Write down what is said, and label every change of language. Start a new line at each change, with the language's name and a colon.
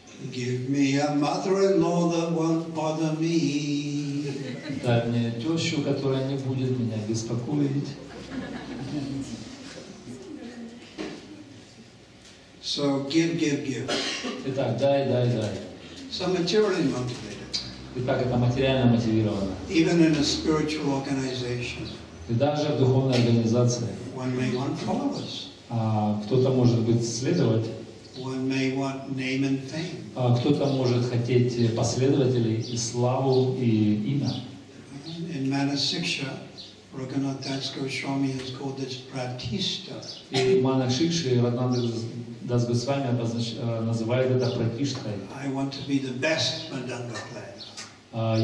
English: Give me a mother-in-law that won't bother me.
Russian: Дай мне тещу, которая не будет меня беспокоить.
English: So give, give, give.
Russian: Итак, дай, дай, дай.
English: So materially motivated.
Russian: Итак, это материально мотивировано.
English: Even in a spiritual organization.
Russian: И даже в духовной организации.
English: One may want followers.
Russian: Кто-то может быть следовать.
English: One may want name and fame.
Russian: Кто-то может хотеть последователей и славу и имя.
English: In Manasiksha, Raghunath Das Goswami has called this pratishta.
Russian: И Манасикша Раднанда Дас Госвами называет это пратиштхой.
English: I want to be the best mridanga player.